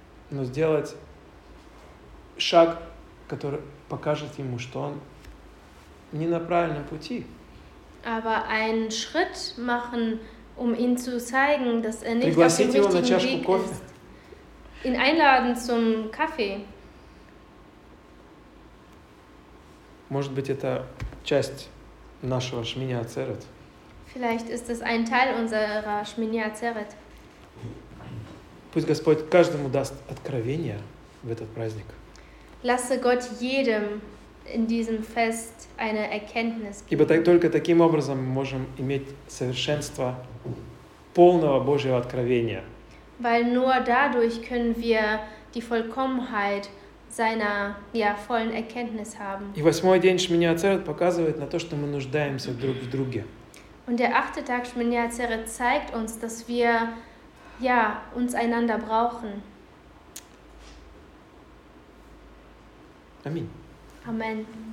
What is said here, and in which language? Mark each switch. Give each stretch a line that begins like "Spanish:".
Russian: Но сделать шаг, который покажет ему, что он не на правильном пути.
German: Aber einen Schritt machen, um ihn zu zeigen, dass er nicht auf dem richtigen Weg ist.
Russian: Кофе.
German: Ihn einladen zum Kaffee.
Russian: Может быть, это часть нашего Шмини Ацерет.
German: Vielleicht ist es ein Teil unserer Шмини Ацерет.
Russian: Пусть Господь каждому даст откровение в этот праздник.
German: Lasse Gott jedem in diesem Fest eine Erkenntnis geben.
Russian: Ибо только таким образом мы можем иметь совершенство полного Божьего откровения.
German: Weil nur dadurch können wir die Vollkommenheit seiner ja, vollen Erkenntnis haben.
Russian: И восьмой день Шмини Ацерет показывает на то, что мы нуждаемся друг в друге.
German: Und der achte Tag Шмини Ацерет zeigt uns, dass wir ja, uns einander brauchen. Amen. Amen.